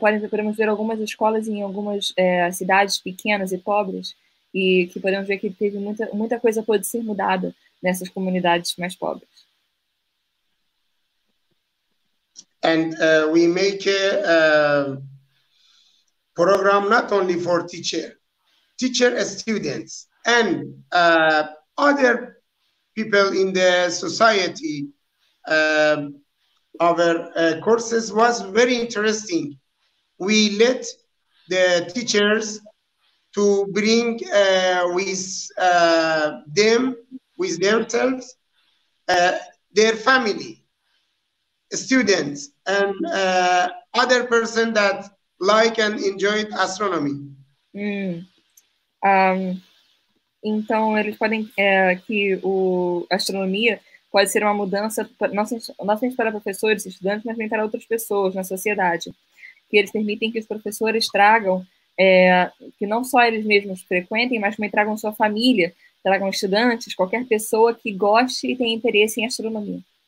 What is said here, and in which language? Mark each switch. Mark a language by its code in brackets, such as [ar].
[pt] Podemos ver algumas escolas em algumas cidades pequenas e pobres, e que podemos ver que teve muita coisa pode ser mudada nessas comunidades mais pobres. [en] And we make a program not only for teacher, students, and other people in the society. Our courses was very interesting. We let the teachers to bring with themselves, their family. Students and other person that like and enjoy astronomy. [pt] Então eles podem que o astronomia pode ser uma mudança não só para professores e estudantes, mas também para outras pessoas na sociedade. Que eles permitem que os professores tragam que não só eles mesmos frequentem, mas também tragam sua família, tragam estudantes, qualquer pessoa que goste e tenha interesse em astronomia.